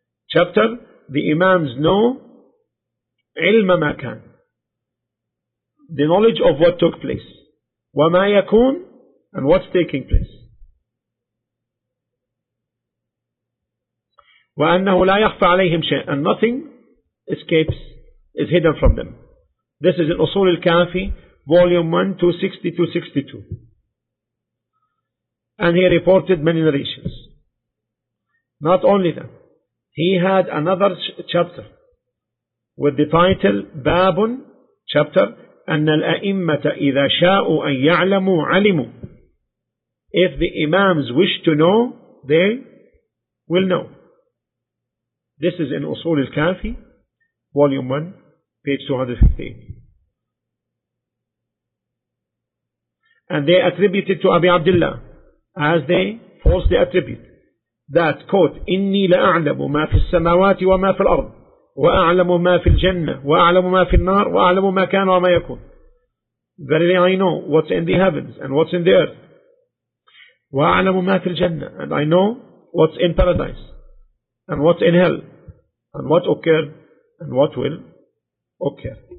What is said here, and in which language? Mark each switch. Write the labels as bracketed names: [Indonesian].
[English] Chapter, the Imams know [Arabic] عِلْمَ مَا كَانَ, [English] the knowledge of what took place, [Arabic] وَمَا يَكُونَ, [English] and what's taking place, [Arabic] وَأَنَّهُ لَا يَخْفَى عَلَيْهِمْ شَيْءٍ, [English] and nothing escapes, is hidden from them. This is in Usul al-Kafi, volume 1, 260-262. And he reported many narrations. Not only that, he had another chapter with the title [Arabic] باب [English] chapter [Arabic] أن الأئمة إذا شاءوا أن يعلموا علموا. [English] If the imams wish to know, they will know. This is in أصول الكافي, volume 1, page 215. And they attributed to Abi Abdullah, as they falsely attribute, that quote, [Arabic] إني لأعلم ما في السماوات وما في الأرض وأعلم ما في الجنة وأعلم ما في النار وأعلم ما كان وما يكون. [English] Verily I know what's in the heavens and what's in the earth. [Arabic] وأعلم ما في الجنة, [English] and I know what's in paradise and what's in hell and what occurred and what will occur.